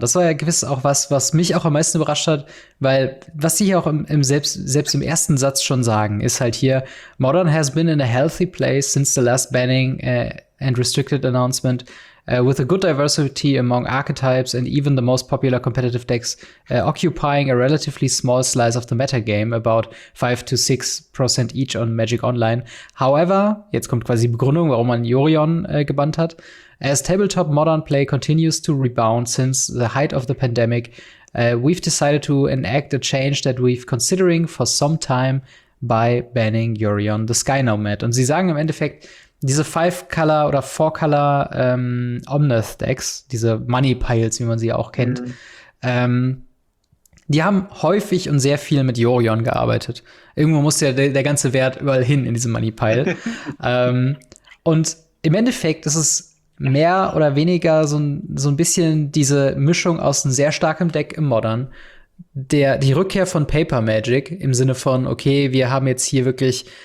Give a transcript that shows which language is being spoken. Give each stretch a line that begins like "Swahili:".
German: Das war ja gewiss auch was mich auch am meisten überrascht hat, weil was sie hier auch selbst im ersten Satz schon sagen, ist halt hier,
English: Modern has been in a healthy place since the last banning and restricted announcement with a good diversity among archetypes and even the most popular competitive decks occupying a relatively small slice of the metagame, about 5-6% each on Magic Online.
German: However, jetzt kommt quasi die Begründung, warum man Jorion gebannt hat.
English: As tabletop modern play continues to rebound since the height of the pandemic, we've decided to enact a change that we've considering for some time by banning Jorion the Sky Nomad.
German: Und sie sagen im Endeffekt, diese Five-Color oder Four-Color Omnath-Decks, diese Money-Piles, wie man sie auch kennt, die haben häufig und sehr viel mit Jorion gearbeitet. Irgendwo musste ja der ganze Wert überall hin in diesem Money-Pile. und im Endeffekt ist es mehr oder weniger so ein bisschen diese Mischung aus einem sehr starken Deck im Modern, die Rückkehr von Paper Magic im Sinne von, okay, wir haben jetzt hier wirklich